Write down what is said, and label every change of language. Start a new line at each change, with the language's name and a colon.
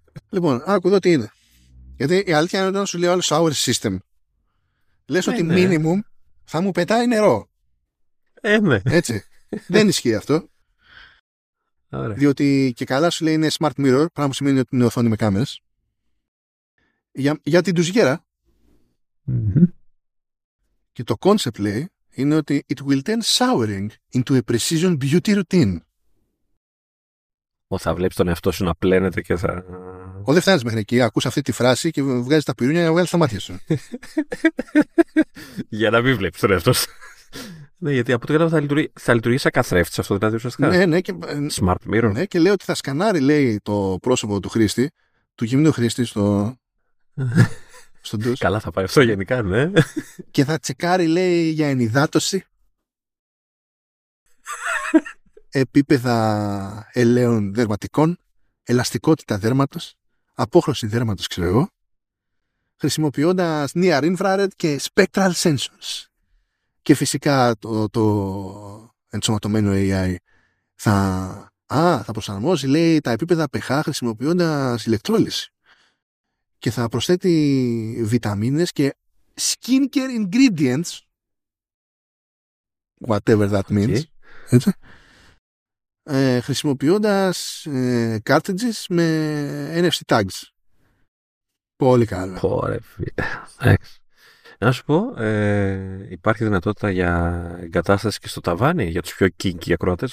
Greek: Λοιπόν, άκου εδώ τι είναι. Γιατί η αλήθεια είναι ότι όταν σου λέει όλο shower system, λες ότι ναι. Minimum θα μου πετάει νερό. Ναι. Έτσι. Δεν ισχύει αυτό. Ωραία. Διότι και καλά σου λέει είναι smart mirror, πράγμα που σημαίνει ότι είναι οθόνη με κάμερες. Για την ντουζιέρα. Mm-hmm. Και το concept λέει είναι ότι
English: it will turn showering into a precision beauty routine.
Greek: Ω, θα βλέπεις τον εαυτό σου να πλένεται και θα... Ω, δεν φτάνεις μέχρι εκεί. Ακούς αυτή τη φράση και βγάζεις τα πυρούνια για να βγάλεις τα μάτια σου. Για να μην βλέπεις τον εαυτό σου. Ναι, γιατί από το κατάλαβα θα λειτουργεί σαν καθρέφτης αυτό, δηλαδή, ουσιαστικά. Ναι, ναι. Και...
English: smart mirror.
Greek: Ναι, και λέει ότι θα σκανάρει, λέει, το πρόσωπο του χρήστη, του γυμνού χρήστη στο... Καλά θα πάει αυτό γενικά, ναι. Και θα τσεκάρει, λέει, για ενυδάτωση. Επίπεδα ελαίων δερματικών. Ελαστικότητα δέρματος. Απόχρωση δέρματος, ξέρω εγώ. Χρησιμοποιώντας
English: near infrared
Greek: και
English: spectral sensors.
Greek: Και φυσικά το ενσωματωμένο AI θα προσαρμόζει, λέει, τα επίπεδα pH χρησιμοποιώντας ηλεκτρόλυση. Και θα προσθέτει βιταμίνες και skincare ingredients,
English: whatever that means, okay.
Greek: Έτσι, χρησιμοποιώντας cartridges με NFC tags. Πολύ καλό. Να σου πω, υπάρχει δυνατότητα για εγκατάσταση και στο ταβάνι για τους πιο kinky ακροατές.